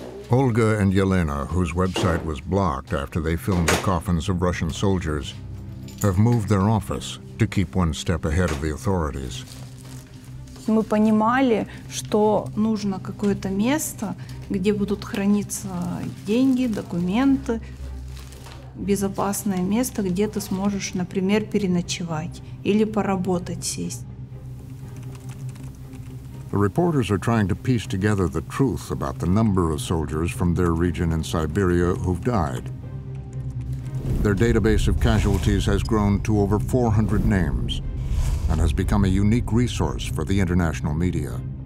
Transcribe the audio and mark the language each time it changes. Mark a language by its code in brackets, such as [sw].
[en] Ольга и Елена, whose website was blocked after they filmed the coffins of Russian soldiers, have moved their office to keep one step ahead of the authorities. [ru] Мы понимали, что нужно какое-то место, где будут храниться деньги, документы, безопасное место, где ты сможешь, например, переночевать или поработать сесть. [en] The reporters are trying to piece together the truth about the number of soldiers from their region in Siberia who've died. Their database of casualties has grown to over 400 names and has become a unique resource for the international media.